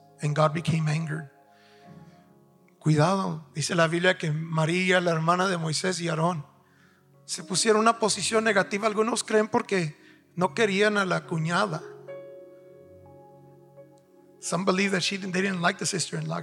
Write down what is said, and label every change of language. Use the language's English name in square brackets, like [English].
[English] And God became angered. [Spanish] Cuidado, dice la Biblia que María, la hermana de Moisés y Aarón, se pusieron una posición negativa. Algunos creen porque no querían a la cuñada. [English] Some believe that they didn't like the sister-in-law.